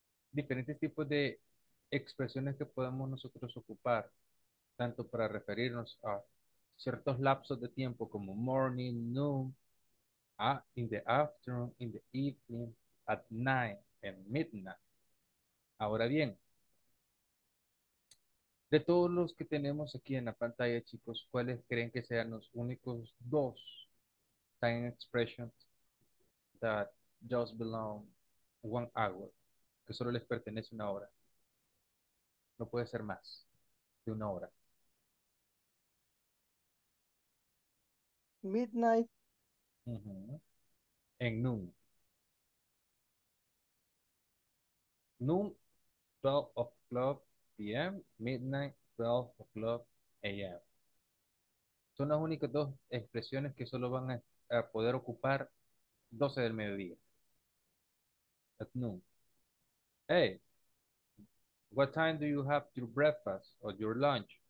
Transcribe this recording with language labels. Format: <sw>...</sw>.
<es>Diferentes tipos de expresiones que podemos nosotros ocupar. Tanto para referirnos a ciertos lapsos de tiempo como</es> <en>morning, noon, In the afternoon, in the evening, at night, at midnight.</en> <es>Ahora bien, de todos los que tenemos aquí en la pantalla, chicos, ¿cuáles creen que sean los únicos dos</es> <en>time expressions that just belong 1 hour,</en> <es>que solo les pertenece una hora? No puede ser más de una hora.</es> <en>Midnight. En noon. Noon, 12 o'clock p.m. Midnight, 12 o'clock a.m.</en> <es>Son las únicas dos expresiones que solo van a poder ocupar 12 del mediodía.</es> <en>At noon. Hey, what time do you have your breakfast or your lunch?</en>